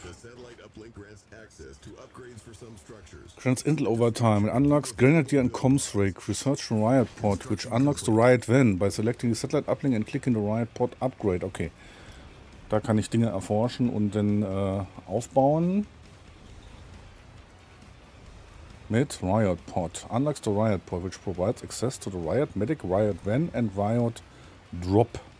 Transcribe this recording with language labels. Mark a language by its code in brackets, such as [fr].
[en] The satellite uplink grants access to upgrades for some structures. Grants Intel overtime. It unlocks Grenadier and Comsrake. Research and Riot Port, which unlocks the Riot Van by selecting the satellite uplink and clicking the Riot Port upgrade. Okay. [de] Da kann ich Dinge erforschen und dann aufbauen. Mit Riot Port. [en] Unlocks the Riot Port, which provides access to the Riot Medic, Riot Van and Riot Drop.